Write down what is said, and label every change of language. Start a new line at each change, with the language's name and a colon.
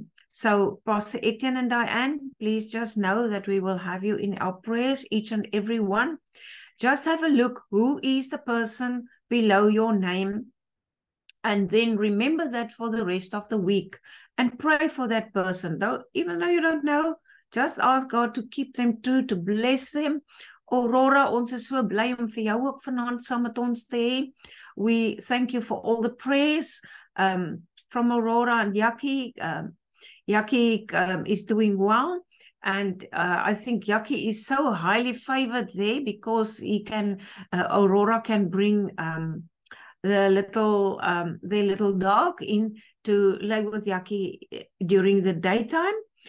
English: So Pastor Etienne and Diane, please just know that we will have you in our prayers, each and every one. Just have a look who is the person below your name, and then remember that for the rest of the week and pray for that person. Though, even though you don't know, just ask God to keep them true, to bless them.
Afrikaans: Aurora, ons is so bly om vir jou ook vanaand saam met ons te hê.
English: We thank you for all the prayers from Aurora and Yaki. Yaki is doing well. And I think Yaki is so highly favored there, because he can, Aurora can bring their little dog in to live with Yaki during the daytime.